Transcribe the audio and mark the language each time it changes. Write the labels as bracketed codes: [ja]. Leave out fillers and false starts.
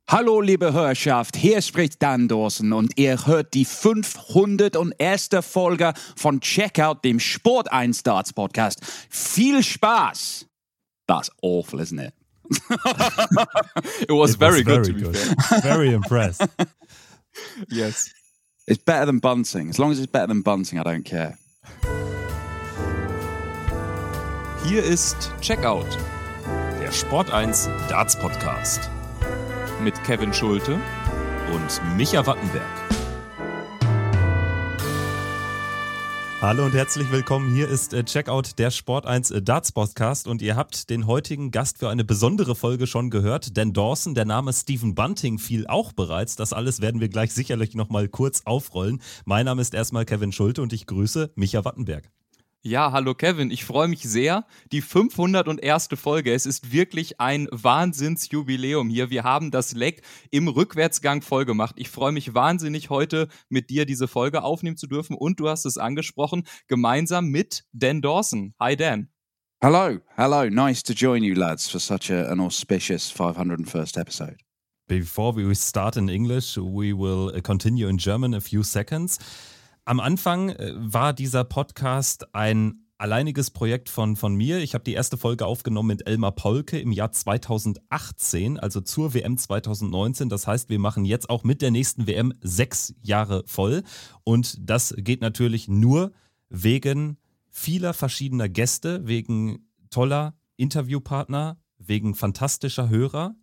[de] Hallo, liebe Hörschaft, hier spricht Dan Dawson und ihr hört die 501. Folge von Checkout, dem Sport1Darts-Podcast. Viel Spaß! [en] That's awful, isn't it? It was very good, to be fair. Very impressed. Yes. It's better than bunting. As long as it's better than bunting, I don't care. [de] Hier ist Checkout, der Sport1Darts-Podcast. Mit Kevin Schulte und Micha Wattenberg. Hallo und herzlich willkommen. Hier ist Checkout, der Sport1 Darts Podcast. Und ihr habt den heutigen Gast für eine besondere Folge schon gehört. Denn Dawson, der Name Stephen Bunting, fiel auch bereits. Das alles werden wir gleich sicherlich nochmal kurz aufrollen. Mein Name ist erstmal Kevin Schulte und ich grüße Micha Wattenberg. Ja, hallo Kevin, ich freue mich sehr. Die 501. Folge, es ist wirklich ein Wahnsinnsjubiläum hier. Wir haben das Leck im Rückwärtsgang vollgemacht. Ich freue mich wahnsinnig, heute mit dir diese Folge aufnehmen zu dürfen. Und du hast es angesprochen, gemeinsam mit Dan Dawson. [en] Hi Dan. Hello. Nice to join you lads for such an auspicious 501st episode. Before we start in English, we will continue in German a few seconds. [de] Am Anfang war dieser Podcast ein alleiniges Projekt von mir. Ich habe die erste Folge aufgenommen mit Elmar Polke im Jahr 2018, also zur WM 2019. Das heißt, wir machen jetzt auch mit der nächsten WM 6 Jahre voll. Und das geht natürlich nur wegen vieler verschiedener Gäste, wegen toller Interviewpartner, wegen fantastischer Hörer.